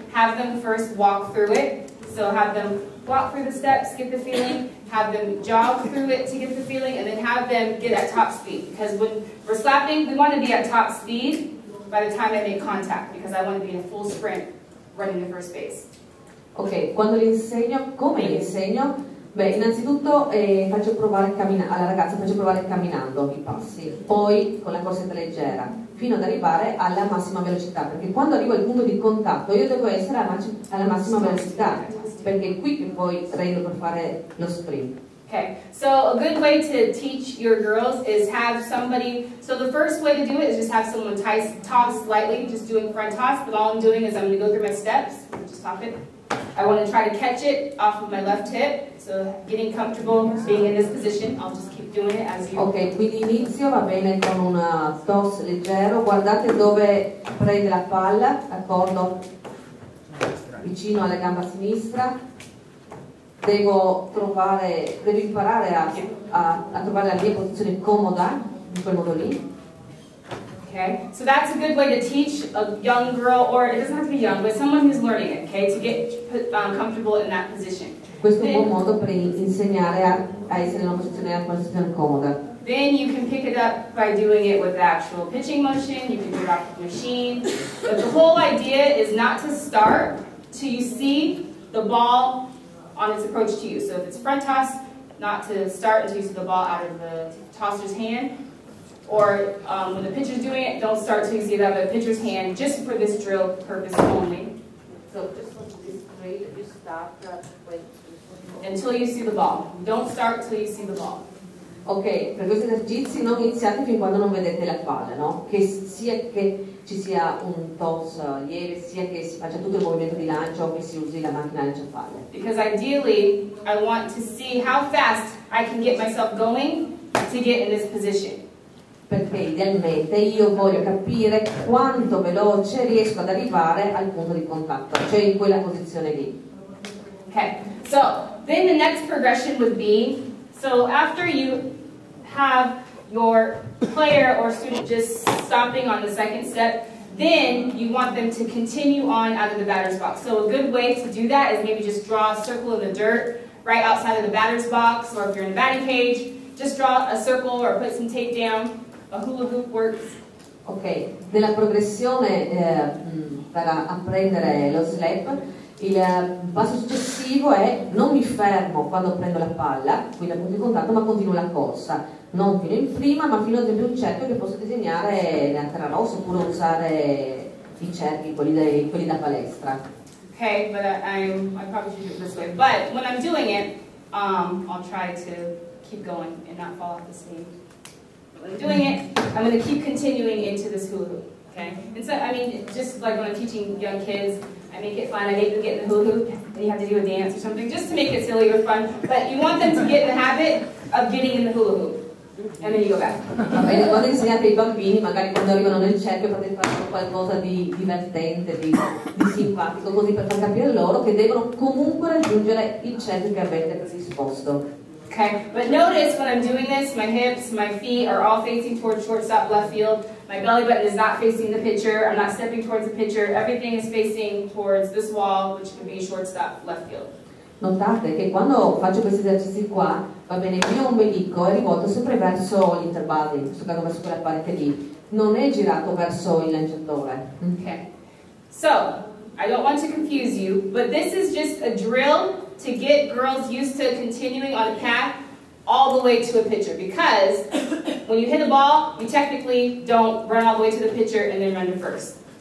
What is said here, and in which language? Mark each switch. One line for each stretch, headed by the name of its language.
English: have them first walk through it. So have them walk through the steps, get the feeling, have them jog through it to get the feeling, and then have them get at top speed. Because when we're slapping, we want to be at top speed by the time I make contact, because I want to be in a full sprint running the first base.
Italian: Okay, quando le insegno, come le insegno? Beh, innanzitutto faccio provare alla ragazza faccio provare camminando i passi, poi con la corsetta leggera, fino ad arrivare alla massima velocità, perché quando arrivo al punto di contatto io devo essere alla massima velocità, perché è qui che poi prendo per fare lo sprint.
English: Okay, so a good way to teach your girls is have somebody, so the first way to do it is just have someone toss lightly, just doing front toss, but all I'm doing is I'm going to go through my steps, just stop it. I want to try to catch it off of my left hip, so getting comfortable being in this position, I'll just keep doing it as you.
Italian: Ok, quindi inizio va bene con una toss leggero, guardate dove prende la palla, d'accordo, vicino alla gamba sinistra, devo imparare a trovare la mia posizione comoda in quel modo lì.
English: Okay. So that's a good way to teach a young girl, or it doesn't have to be young, but someone who's learning it, okay, to get comfortable in that position.
Italian: Questo è un buon modo per insegnare a essere in una posizione comoda.
English: Then you can pick it up by doing it with the actual pitching motion, you can do it off the machine. But the whole idea is not to start till you see the ball on its approach to you. So if it's front toss, not to start until you see the ball out of the tosser's hand. Or when the pitcher's doing it, don't start till you see that the pitcher's hand, just for this drill purpose only. So just on this drill, you start when? Until you see the ball. Don't start till you see the ball.
Italian: Ok, per questi esercizi non iniziate fin quando non vedete la palla, no? Che sia che ci sia un toss lieve, sia che si faccia tutto il movimento di lancio o che si usi la macchina di lanciapalle.
English: Because ideally, I want to see how fast I can get myself going to get in this position.
Italian: Perché idealmente io voglio capire quanto veloce riesco ad arrivare al punto di contatto, cioè in quella posizione lì.
English: Ok, so then the next progression would be, so after you have your player or student just stopping on the second step, then you want them to continue on out of the batter's box. So a good way to do that is maybe just draw a circle in the dirt right outside of the batter's box, or if you're in the batting cage, just draw a circle or put some tape down. A hula hoop works.
Italian: Ok, nella progressione per apprendere lo slap, il passo successivo è non mi fermo quando prendo la palla, quindi al punto di contatto, ma continuo la corsa. Non fino in prima, ma fino ad un cerchio che posso disegnare nella terra rossa oppure usare i cerchi, quelli da palestra.
English: Ok, I'm going to keep continuing into this hula hoop, okay? And so, I mean, just like when I'm teaching young kids, I make it fun, I make them get in the hula hoop, and you have to do a dance or something, just to make it silly or fun, but you want them to get in the habit of getting in the hula hoop, and then you go back.
Italian: Va bene, quando insegnate ai bambini, magari quando arrivano nel cerchio, potete fare qualcosa di divertente, di simpatico, così per far capire loro che devono comunque raggiungere il cerchio che avete così esposto.
English: Okay, but notice when I'm doing this, my hips, my feet are all facing towards shortstop left field. My belly button is not facing the pitcher. I'm not stepping towards the pitcher. Everything is facing towards this wall, which can be shortstop left field.
Italian: Notate che quando faccio questi esercizi qua, va bene, il mio ombelico è rivolto sempre verso l'interbody, in questo caso verso quella parete lì. Non è girato verso il lanciatore.
English: Okay, so I don't want to confuse you, but this is just a drill to get girls used to continuing on a path all the way to a pitcher. Because when you hit a ball, you technically don't run all the way to the pitcher and then run to first.